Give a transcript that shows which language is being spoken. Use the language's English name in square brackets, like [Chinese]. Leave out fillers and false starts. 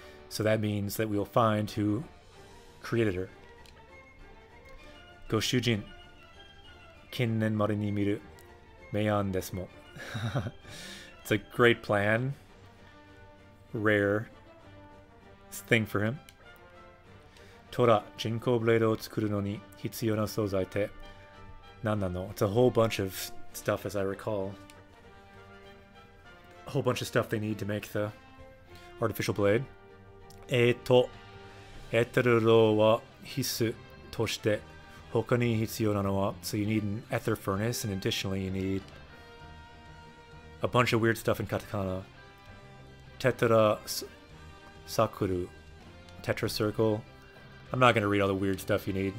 [English] So that means that we will find who created her. [Japanese] ご主人、近年まれに見る名案ですも。 [English] It's a great plan. Rare thing for him. [Japanese] トラ、人工ブレードを作るのに必要な素材って何なの? [English] It's a whole bunch of stuff as I recall. A whole bunch of stuff they need to make the artificial blade. [Japanese] エテルローは必須として他に必要なのは [English] So you need an ether furnace, and additionally you need a bunch of weird stuff in katakana. Tetra circle. I'm not going to read all the weird stuff you need.